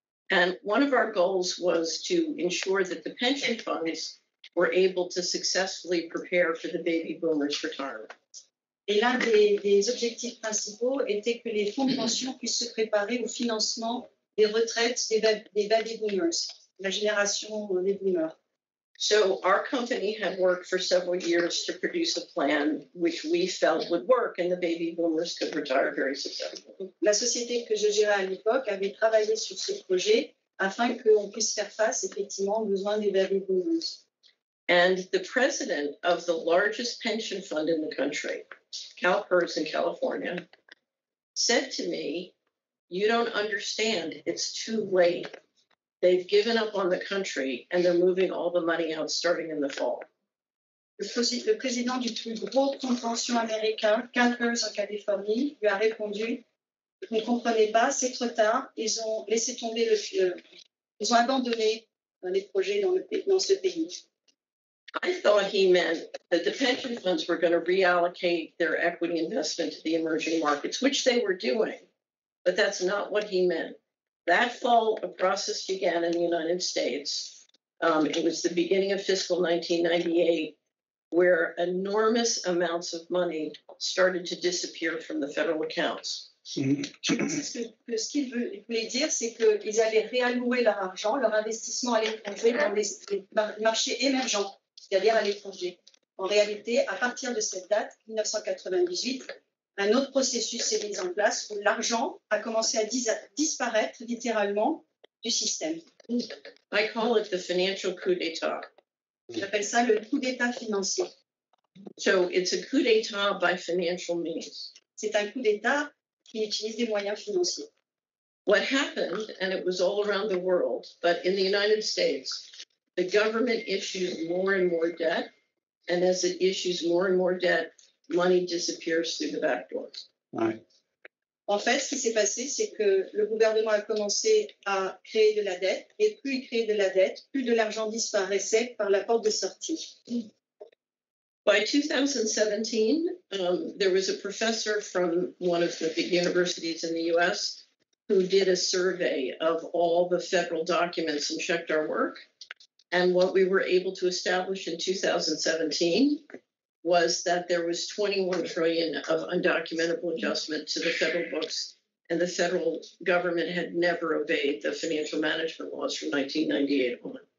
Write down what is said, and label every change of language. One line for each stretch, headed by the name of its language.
English: And one of our goals was to ensure that the pension funds were able to successfully prepare for the baby boomers' retirement.
French: Et l'un des objectifs principaux était que les fonds de pension puissent se préparer au financement des retraites des baby boomers, la génération des boomers.
English: So our company had worked for several years to produce a plan which we felt would work and the baby boomers could retire very successfully.
French: La société que je gérais à l'époque avait travaillé sur ce projet afin qu'on puisse faire face effectivement aux besoins des baby boomers.
English: And the president of the largest pension fund in the country, CalPERS in California, said to me, "You don't understand, it's too late. They've given up on the country and they're moving all the money out starting in the fall."
French: Le président du plus gros fonds de pension américain, CalPERS en Californie, lui a répondu, "Vous ne comprenez pas, c'est trop tard. Ils ont laissé tomber ils ont abandonné les projets dans ce pays."
English: I thought he meant that the pension funds were going to reallocate their equity investment to the emerging markets, which they were doing, but that's not what he meant. That fall, a process began in the United States. It was the beginning of fiscal 1998, where enormous amounts of money started to disappear from the federal accounts.
French: Ce qu'il voulait dire, c'est qu'ils allaient réallouer leur argent, leur investissement à l'étranger dans les marchés émergents, c'est-à-dire à l'étranger. En réalité, à partir de cette date, 1998, un autre processus s'est mis en place où l'argent a commencé à disparaître littéralement du système.
English: I call it the financial coup d'état.
French: J'appelle ça le coup d'état financier.
English: So it's a coup d'état by financial means.
French: C'est un coup d'état qui utilise des moyens financiers.
English: What happened, and it was all around the world, but in the United States, the government issues more and more debt, and as it issues more and more debt, money disappears through the back door. Right.
French: En fait, ce qui s'est passé, c'est que le gouvernement a commencé à créer de la dette, et plus il créait de la dette, plus de l'argent disparaissait par la porte de sortie.
English: By 2017, there was a professor from one of the big universities in the U.S. who did a survey of all the federal documents and checked our work. And what we were able to establish in 2017 was that there was $21 trillion of undocumentable adjustment to the federal books, and the federal government had never obeyed the financial management laws from 1998 on.